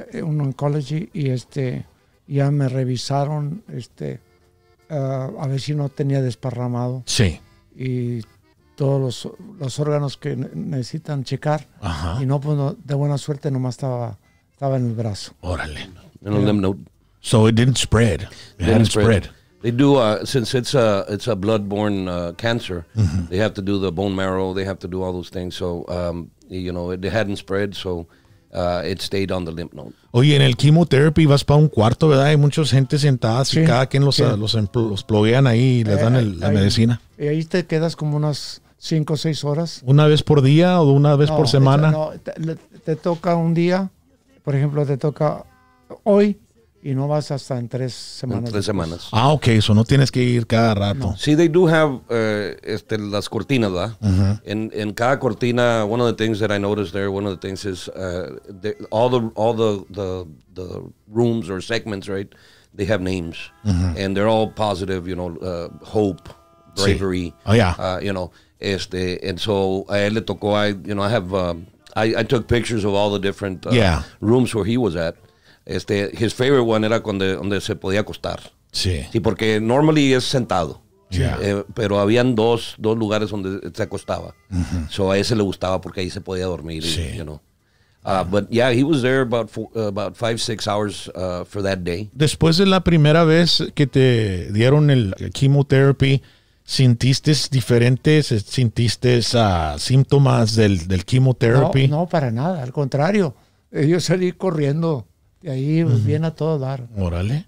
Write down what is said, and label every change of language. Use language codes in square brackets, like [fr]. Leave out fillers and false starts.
[es] Un oncology y ya me revisaron a ver si no tenía desparramado. Sí. Y todos los órganos que necesitan checar. Ajá. Y no, pues no, de buena suerte nomás estaba en el brazo. Órale. En el lymph [en] node. So it didn't spread. It didn't spread. They do, since it's a blood-borne cancer, they have to do the bone marrow, they have to do all those things. So, you know, it hadn't spread, so... it stayed on the lymph node. [es] Oye, en el chemotherapy vas para un cuarto, ¿verdad? Hay mucha gente sentada, sí, y cada quien los pluguean ahí y les dan la medicina. Y ahí te quedas como unas 5 o 6 horas. ¿Una vez por día o una vez por semana? Te toca un día, por ejemplo, te toca hoy y no vas hasta en 3 semanas. En 3 semanas. Ah, ok, eso no tienes que ir cada rato. No. Sí, [en] they do have [es] las cortinas, ¿verdad? En cada cortina, [en] one of the things that I noticed there, one of the things is all the rooms or segments, right, they have names. Uh-huh. And they're all positive, you know, hope, bravery. [es] Sí. [en] Oh, yeah. You know, and so [es] a él le tocó, [en] I took pictures of all the different rooms where he was at. His favorite one [es] era donde se podía acostar. Sí. Sí, porque normally es sentado. [en] Yeah. [es] Pero habían dos lugares donde se acostaba. Mm-hmm. So a ese le gustaba porque ahí se podía dormir. Sí. [en] You know. But yeah, he was there about 5-6 hours for that day. [es] Después de la primera vez que te dieron el chemotherapy, ¿sintiste diferentes? ¿Sintiste síntomas del chemotherapy? No, para nada. Al contrario. Yo salí corriendo. Y ahí viene a todo dar. Órale.